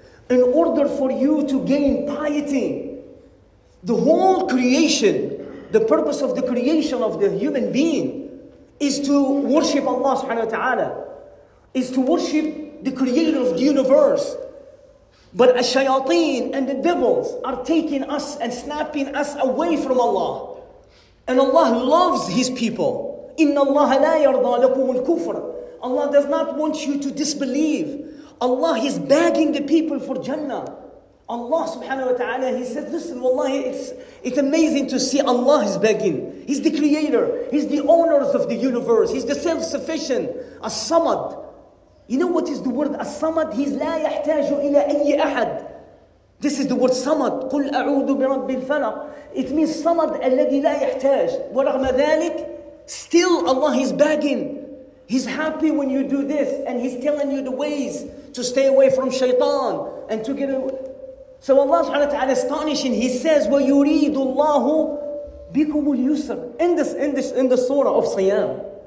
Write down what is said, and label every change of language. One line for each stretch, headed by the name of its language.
English: In order for you to gain piety, the whole creation, the purpose of the creation of the human being is to worship Allah subhanahu wa ta'ala, is to worship the creator of the universe. But الشياطين and the devils are taking us and snapping us away from Allah. And Allah loves His people.
Arabic: إن الله لا يرضى لكم الكفر.
English: Allah does not want you to disbelieve. Allah is begging the people for Jannah. Allah subhanahu wa ta'ala, He says, listen, wallahi, it's amazing to see Allah is begging. He's the creator. He's the owner of the universe. He's the self-sufficient. As-samad. You know what is the word as-samad?
Arabic: He's لا يحتاج إلى أي أحد.
English: This is the word samad.
Arabic: قل أعوذ برب الفلق.
English: It means samad
Arabic: الذي لا يحتاج. ورغم ذلك,
English: still Allah is begging. He's happy when you do this. And He's telling you the ways to stay away from shaitan and to get away. So Allah subhanahu wa ta'ala astonishing, He says,
Arabic: وَيُرِيدُ اللَّهُ بِكُمُ الْيُسْرِ
English: in the surah of Siyam.